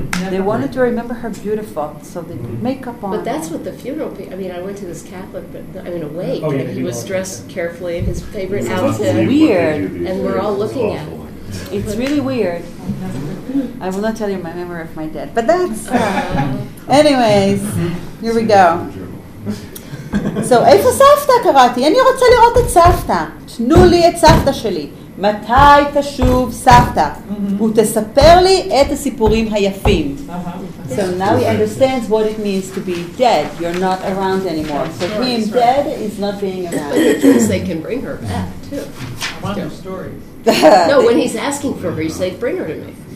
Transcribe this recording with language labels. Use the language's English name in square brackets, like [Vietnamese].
[English] They wanted to remember her beautiful, so they put makeup on. But that's what the funeral. I went to this Catholic, he was dressed carefully in his favorite outfit. It's weird. And we're all looking at him. It's really weird. I will not tell you my memory of my dad. But that's... anyways, here we go. [Hebrew] So, איפה סבתא קראתי? אני רוצה לראות את סבתא. תנו לי את סבתא שלי. מתי תשוב סבתא? ותספר לי את הסיפורים היפים. [English] So now he understands what it means to be dead. You're not around anymore. So being dead is not being around. They can bring her back, too. I want her stories. No, when he's asking for her, he's like, bring her to me.